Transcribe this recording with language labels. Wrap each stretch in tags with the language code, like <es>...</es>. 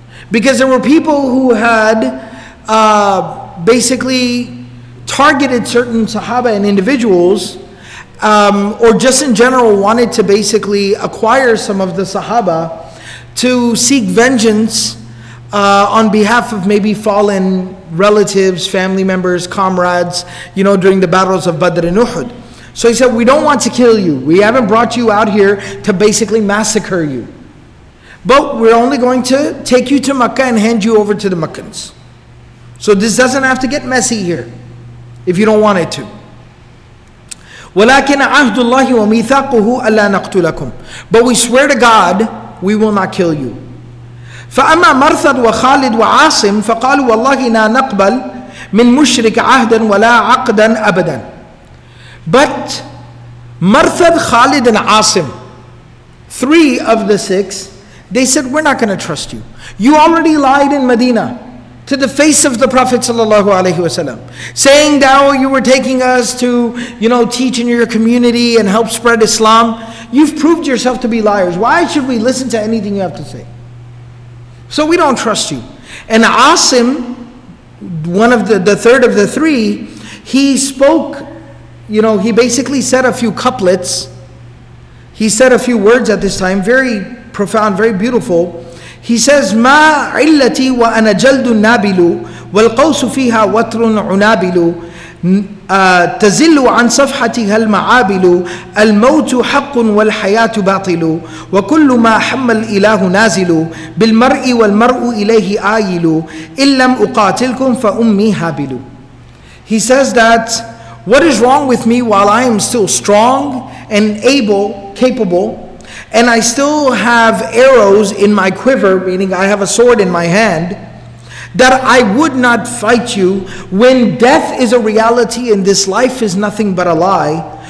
<en>Because there were people who had basically targeted certain Sahaba and individuals, or just in general wanted to basically acquire some of the Sahaba to seek vengeance on behalf of maybe fallen relatives, family members, comrades, you know, during the battles of Badr and Uhud. So he said, we don't want to kill you. We haven't brought you out here to basically massacre you, but we're only going to take you to Makkah and hand you over to the Meccans. So this doesn't have to get messy here, if you don't want it to.</en> <ar>ولكن عهد الله وميثاقه ألا نقتلكم.</ar> <en>But we swear to God, we will not kill you.</en> <ar>فأما مرثد وخالد وعاصم فقالوا والله لا نقبل من مشرك عهدا ولا عقدا أبدا.</ar> <en>But Marthad, Khalid and Asim, three of the six, they said, we're not going to trust you. You already lied in Medina to the face of the Prophet sallallahu alaihi wasallam, saying that you were taking us to, you know, teach in your community and help spread Islam. You've proved yourself to be liars. Why should we listen to anything you have to say? So we don't trust you. And Asim, one of the third of the three, he spoke, you know, he basically said a few couplets. He said a few words at this time, very profound, very beautiful. He says,</en> <ar>ما علتي وأنا جلد نابل والقوس فيها وتر عنابل تزل عن صفحتها المعابل الموت حق والحياة باطل وكل ما حمى الإله نازل بالمرء والمرء إليه آيل إن لم أقاتلكم فأمي هابل.</ar> <en>He says that, what is wrong with me while I am still strong and able, capable, and I still have arrows in my quiver, meaning I have a sword in my hand, that I would not fight you when death is a reality and this life is nothing but a lie.</en>